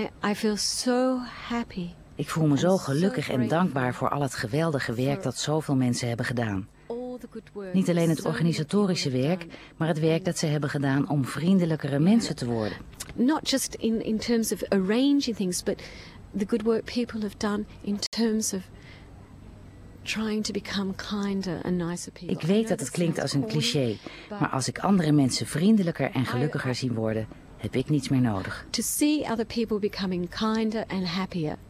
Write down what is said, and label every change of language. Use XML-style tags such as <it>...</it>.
<en>I feel so happy.</en> <nl>Ik voel me zo gelukkig en dankbaar voor al het geweldige werk dat zoveel mensen hebben gedaan. Niet alleen het organisatorische werk, maar het werk dat ze hebben gedaan om vriendelijkere mensen te worden.</nl> <en>Not just in terms of arranging things, but the good work people have done in terms of trying to become kinder and nicer people.</en> <nl>Ik weet dat het klinkt als een cliché, maar als ik andere mensen vriendelijker en gelukkiger zie worden, heb ik niets meer nodig.</nl> <en>To see other people becoming kinder and happier.</en>